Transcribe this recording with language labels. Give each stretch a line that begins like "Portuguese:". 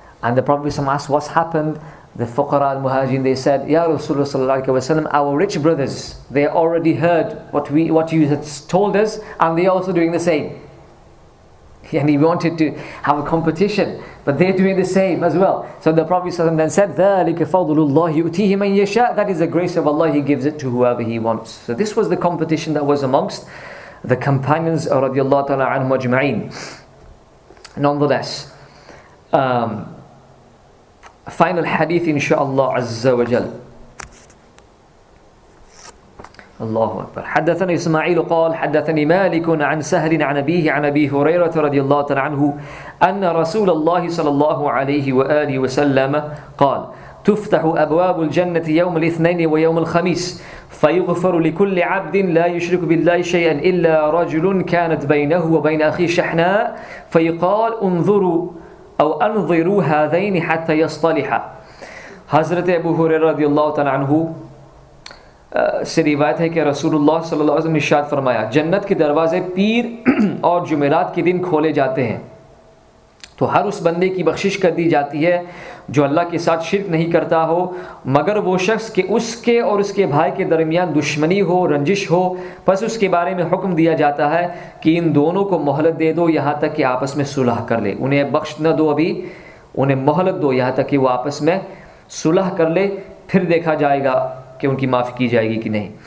English: And the Prophet asked, what's happened? The Fuqara al-Muhajin, they said, Ya Rasulullah sallallahu alayhi wa sallam, our rich brothers, they already heard what you had told us, and they are also doing the same. And he wanted to have a competition, but they're doing the same as well. So the Prophet ﷺ then said,
Arabic: ذَلِكَ فَضُلُ اللَّهِ يُؤْتِيهِ مَنْ يَشَاءَ.
English: That is the grace of Allah, He gives it to whoever He wants. So this was the competition that was amongst the companions رضي الله تعالى عنهم أجمعين. Nonetheless, final hadith inshaAllah عز وجل.
Arabic: الله أكبر. حدثنا إسماعيل قال حدثني مالك عن سهل عن أبيه عن أبي هريرة رضي الله تعالى عنه أن رسول الله صلى الله عليه وآله وسلم قال تفتح أبواب الجنة يوم الاثنين ويوم الخميس فيغفر لكل عبد لا يشرك بالله شيئا إلا رجل كانت بينه وبين أخي شحناء فيقال انظروا أو انظروا هذين حتى يصطلحا.
Urdu: حضرت أبو هريرة رضي الله تعالى عنه سے روایت ہے کہ رسول اللہ صلی اللہ علیہ وسلم نے ارشاد فرمایا جنت کے دروازے پیر اور جمعرات کے دن کھولے جاتے ہیں تو ہر اس بندے کی بخشش کر دی جاتی ہے جو اللہ کے ساتھ شرک نہیں کرتا ہو مگر وہ شخص کہ اس کے اور اس کے بھائی کے درمیان دشمنی ہو رنجش ہو پس اس کے بارے میں حکم دیا جاتا ہے کہ ان دونوں کو مہلت دے دو یہاں تک کہ آپس میں صلح کر لے انہیں بخش نہ دو ابھی انہیں مہلت دو یہاں تک کہ وہ آپس میں صلح کر لے پھر دیکھا جائے گا کہ ان کی معافی کی جائے گی کہ نہیں.